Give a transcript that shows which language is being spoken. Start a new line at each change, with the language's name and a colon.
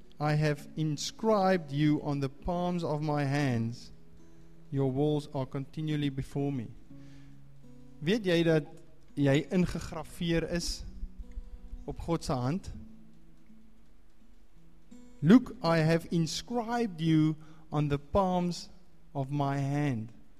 English: I have inscribed you on the palms of my hands. Your walls are continually before me.
Afrikaans: Weet jy dat jy ingegraveer is op God se hand?
English: Look, I have inscribed you on the palms of my hand.